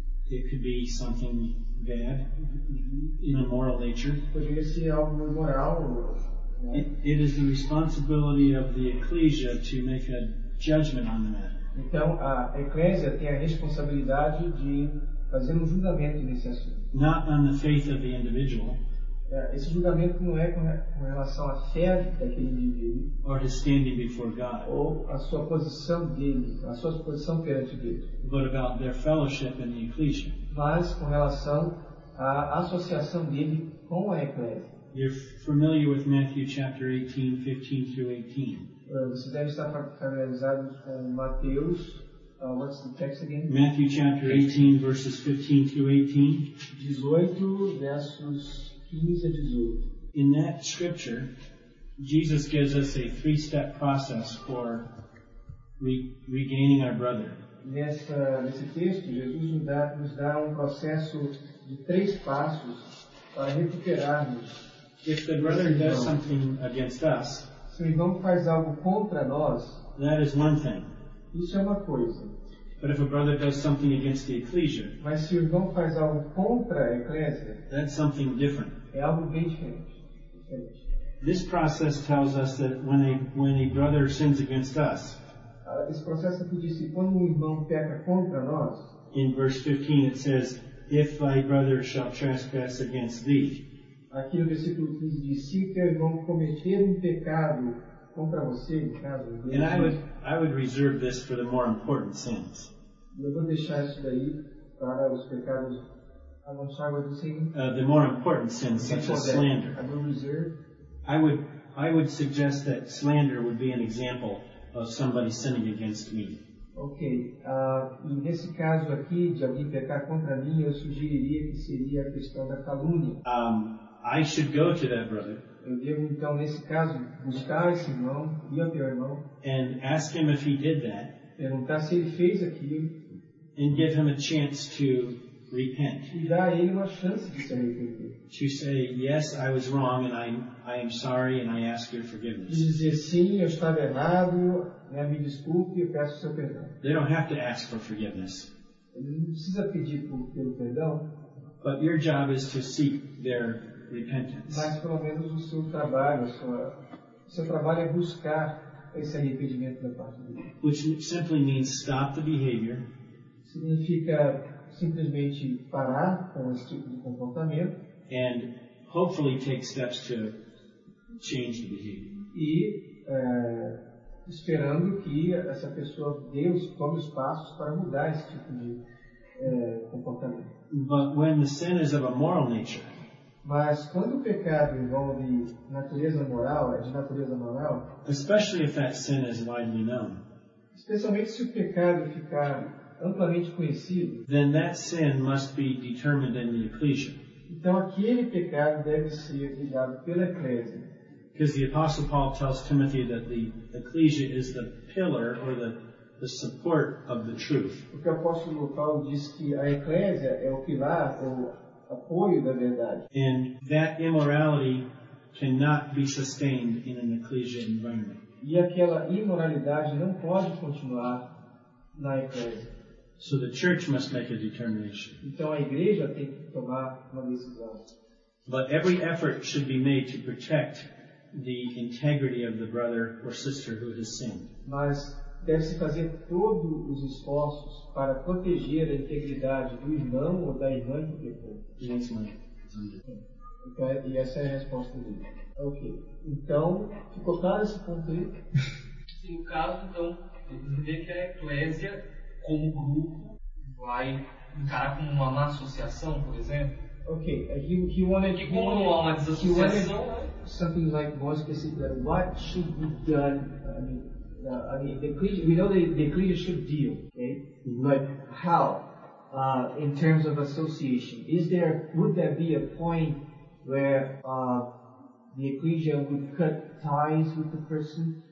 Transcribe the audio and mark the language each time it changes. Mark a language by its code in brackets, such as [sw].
[en] It could be something bad in a moral nature. [pt] Poderia ser algo imoral. Né? [en] It is the responsibility of the Ecclesia to make a judgment on the matter. [pt] Então, a Eclésia tem a responsabilidade de fazer um julgamento nesse assunto. [en] Not on the faith of the individual. [pt] Esse julgamento não é com relação à fé daquele indivíduo. [en] Or his standing before God. [pt] Ou a sua posição dele, a sua posição perante Deus. [en] But about their fellowship in the Ecclesia. [pt] Mas com relação à associação dele com a Eclésia. [en] You're familiar with Matthew chapter 18, 15 through 18. [pt] Você deve estar familiarizado com Mateus. [en] What's the text again? Matthew chapter 18, verses 15 through 18. [pt] 18 versus 15 a 18. [en] In that scripture, Jesus gives us a three-step process for regaining our brother. [pt] Nesse texto, Jesus nos dá um processo de três passos para recuperarmos. [en] If the brother does something against us, [pt] se o irmão faz algo contra nós, [en] that is one thing. [pt] Isso é uma coisa. [en] But if a brother does something against the Ecclesia, [pt] mas se o irmão faz algo contra a Eclésia, [en] that's something different. [pt] É algo bem diferente. [en] This process tells us that when a brother sins against us, [pt] Esse processo aqui diz que quando um irmão peca contra nós, [en] in verse 15 it says, if thy brother shall trespass against thee. [pt] Aqui no versículo 15 diz, se teu irmão cometer um pecado contra você, no caso, de Deus, [en] I would reserve this for the more important sins. [pt] Eu vou deixar isso daí para os pecados [en] The more important sins, such as slander. I would suggest that slander would be an example of somebody sinning against me. Okay. [pt] E nesse caso aqui, de alguém pecar contra mim, eu sugeriria que seria a questão da calúnia. [en] I should go to that brother. [pt] Eu devo, então, nesse caso, buscar esse irmão, ir ao teu irmão. [en] And ask him if he did that. [pt] Perguntar se ele fez aquilo. [en] And give him a chance to repent. [pt] E dá a ele uma chance de se arrepender. [en] To say, yes, I was wrong, and I am sorry, and I ask your forgiveness. [pt] Dizer, sim, eu estava errado, né, me desculpe, eu peço o seu perdão. [en] They don't have to ask for forgiveness. [pt] Ele não precisa pedir pelo perdão. [en] But your job is to seek their repentance. [pt] Mas pelo menos o seu trabalho, o seu trabalho é buscar esse arrependimento da parte dele. [en] Which simply means stop the behavior. [pt] Significa simplesmente parar com esse tipo de comportamento. [en] And hopefully take steps to change the behavior. [pt] Esperando que essa pessoa dê tome os passos para mudar esse tipo de comportamento. [en] But when the sin is of a moral nature, [pt] mas quando o pecado envolve natureza moral, é de natureza moral, [en] especially if that sin is widely known, [pt] especialmente se o pecado ficar amplamente conhecido, [en] then that sin must be determined in the ecclesia. [pt] Então aquele pecado deve ser julgado pela eclésia. [en] Because the Apostle Paul tells Timothy that the ecclesia is the pillar or the support of the truth. [pt] Porque o apóstolo Paulo diz que a eclésia é o pilar, o apoio da verdade. [en] And that immorality cannot be sustained in an ecclesia environment. [pt] E aquela imoralidade não pode continuar na eclésia. [en] So the church must make a determination. [pt] Então a igreja tem que tomar uma decisão. [en] But every effort should be made to protect the integrity of the brother or sister who has sinned. [pt] Mas deve-se fazer todos os esforços para proteger a integridade do irmão ou da irmã que pecou. [en] Yes, ma'am. [pt] Okay. E essa é a resposta dele. Ok. Então, ficou claro esse ponto aí? Sim, o caso, então, vê que a eclésia, como grupo, vai encarar como uma má associação, por exemplo. [en] Ok, he wanted, [pt] que como não há uma desassociação, [en] something like more specific, what should be done, the ecclesia should deal, okay? But how, in terms of association, would there be a point where the ecclesia would cut ties with the person?